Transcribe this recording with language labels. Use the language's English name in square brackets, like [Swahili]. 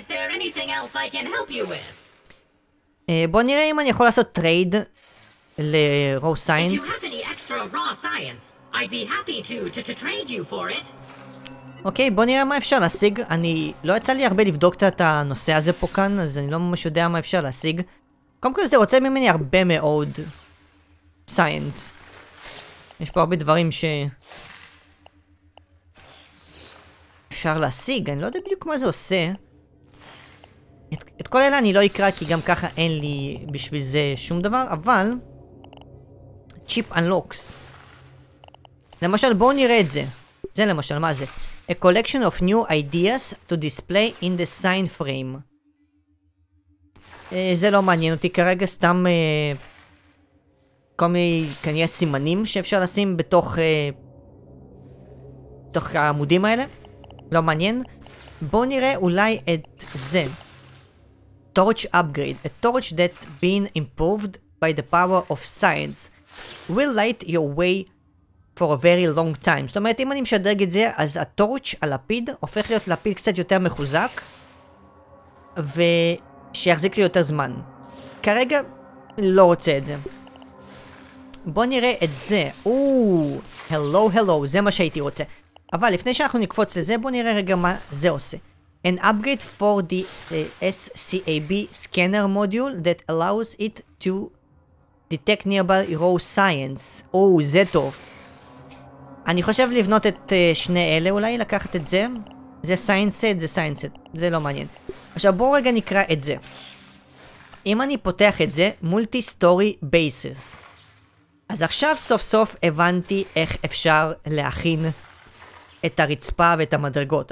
[English] Is there anything else I can help you with? [Hebrew] בוא נראה אם אני יכול לעשות טרייד ל-raw science. [English] If you have any extra raw science, I'd be happy to trade you for it. [Hebrew] אוקיי, בוא נראה מה אפשר להשיג. אני לא יצא לי הרבה לבדוק את הנושא הזה פה כאן, אז אני לא ממש יודע מה אפשר להשיג. קודם כל זה רוצה ממני הרבה מאוד סיינס. יש פה הרבה דברים ש... אפשר להשיג, אני לא יודע בדיוק מה זה עושה. את כל אלה אני לא אקרא כי גם ככה אין לי בשביל זה שום דבר, אבל... צ'יפ אנלוקס. למשל בואו נראה את זה. זה למשל, מה זה? [English] A collection of new ideas to display in the sign frame. [Hebrew] זה לא מעניין אותי כרגע, סתם כל מיני כנראה סימנים שאפשר לשים בתוך העמודים האלה. לא מעניין. בואו נראה אולי את זה. Torch upgrade. [English] A torch that been improved by the power of science. Will light your way for a very long time. [Hebrew] זאת אומרת, אם אני משדרג את זה, אז הטורץ', הלפיד, הופך להיות לפיד קצת יותר מחוזק. ו... שיחזיק לי יותר זמן. כרגע, לא רוצה את זה. בוא נראה את זה. הלו, זה מה שהייתי רוצה. אבל לפני שאנחנו נקפוץ לזה, בוא נראה רגע מה זה עושה. [English] An upgrade for the SCAB scanner module that allows it to detect nearby raw science. [Hebrew] זה טוב. אני חושב לבנות את שני אלה אולי, לקחת את זה. זה סיינסט, זה סיינסט, זה לא מעניין. עכשיו בואו רגע נקרא את זה. אם אני פותח את זה, מולטי סטורי בייסס. אז עכשיו סוף סוף הבנתי איך אפשר להכין את הרצפה ואת המדרגות.